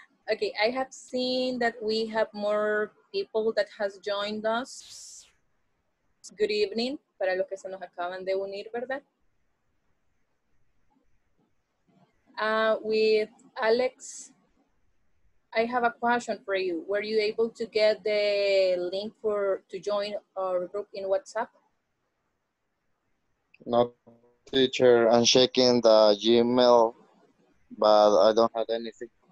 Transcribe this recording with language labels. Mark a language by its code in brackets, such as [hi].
[en] Okay, I have seen that we have more people that has joined us. Good evening, [es] para los que se nos acaban de unir, ¿verdad? [en] With Alex, I have a question for you. Were you able to get the link for to join our group in WhatsApp? No, teacher, I'm checking the Gmail, but I don't have anything.